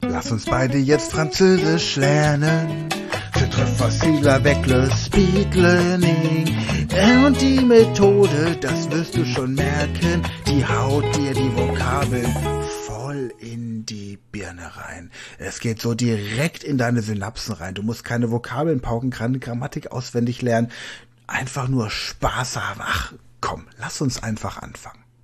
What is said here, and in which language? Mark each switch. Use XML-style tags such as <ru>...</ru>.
<de>lass uns beide jetzt Französisch lernen.</de> <fr>C'est très facile avec le speed learning.</fr> <de>Und die Methode, das wirst du schon merken, die haut dir die Vokabeln voll in die Birne rein. Es geht so direkt in deine Synapsen rein. Du musst keine Vokabeln pauken, keine Grammatik auswendig lernen. Einfach nur Spaß haben. Ach komm, lass uns einfach anfangen.</de>